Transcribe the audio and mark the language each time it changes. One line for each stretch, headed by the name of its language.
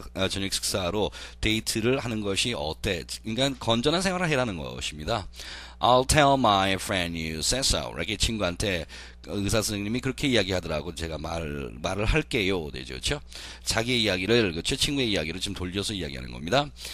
Korean: 저녁 식사로 데이트를 하는 것이 어때? 그러니까 건전한 생활을 해라는 것입니다.
English: I'll tell my friend you said so, right?
Korean: 친구한테 의사 선생님이 그렇게 이야기하더라고 제가 말을 할게요, 되죠, 그렇죠? 자기의 이야기를 그렇죠? 친구의 이야기를 좀 돌려서 이야기하는 겁니다.